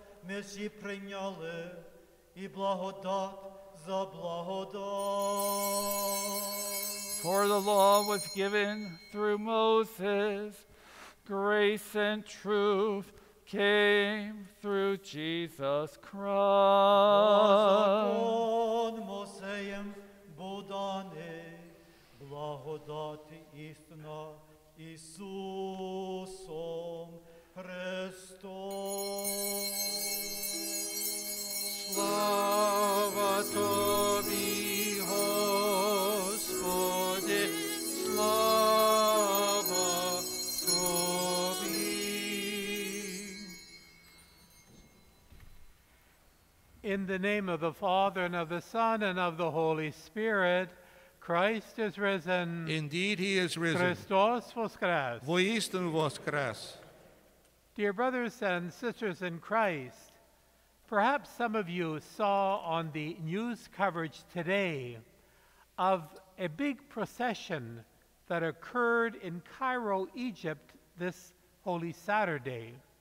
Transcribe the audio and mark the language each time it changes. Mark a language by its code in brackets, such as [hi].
[uk] Ми всі прийняли і благодат за благодать. [en] For the law was given through Moses, grace and truth came through Jesus Christ. [uk] Закон Мосеєм був даний, благодать істина Ісусом Христом. Слава Тобі, Господи, слава Тобі. [en] In the name of the Father, and of the Son, and of the Holy Spirit, Christ is risen. Indeed, he is risen. [uk] Христос воскрес. [ru] Воистину воскрес. [en] Dear brothers and sisters in Christ, perhaps some of you saw on the news coverage today of a big procession that occurred in Cairo, Egypt, this Holy Saturday.